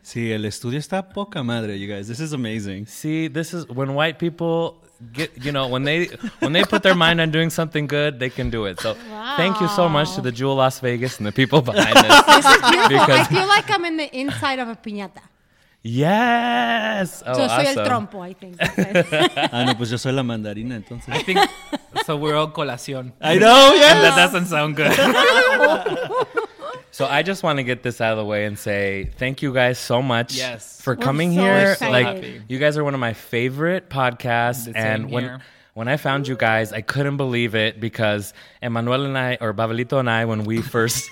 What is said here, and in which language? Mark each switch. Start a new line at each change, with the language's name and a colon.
Spanish: Sí, el estudio está poca madre,
English: you guys. This is amazing. See, this is when white people get, you know, when they put their mind on doing something good, they can do it. So Wow. Thank you so much to the Jewel Las Vegas and the people behind this. This is beautiful. Because I feel like I'm in the inside of a piñata. Yes.
Spanish: Oh, yo soy awesome. El trompo,
English: I think.
Spanish: Ah, no, pues yo soy la mandarina, entonces.
English: I think, so we're all colación. I know, yes. And that doesn't sound good. So I just want to get this out of the way and say thank you guys so much for coming so here. Excited. Like, you guys are one of my favorite podcasts. And when I found you guys, I couldn't believe it because Emmanuel and I, or Babelito and I, when we first...